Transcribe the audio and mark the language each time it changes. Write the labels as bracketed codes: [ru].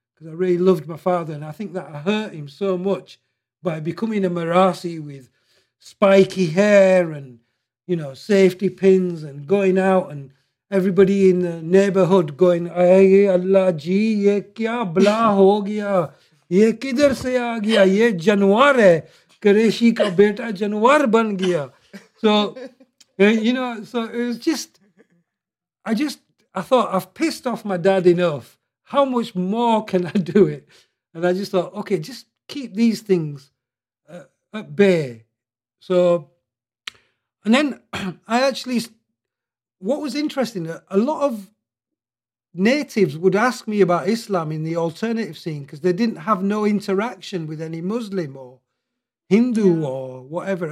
[en] because I really loved my father, and I think that I hurt him so much by becoming a Marasi with spiky hair and, you know, safety pins and going out and everybody in the neighborhood going, [ur] "Ay Allah ji, ye kya bla ho gaya? یہ کدھر سے آ گیا؟ یہ جانور ہے۔ قریشی کا بیٹا جانور بن گیا۔" [en] So, you know, so it was just, I thought, I've pissed off my dad enough. How much more can I do it? And I just thought, okay, just keep these things at bay. So, and then I actually, what was interesting, a lot of natives would ask me about Islam in the alternative scene because they didn't have no interaction with any Muslim or Hindu or whatever.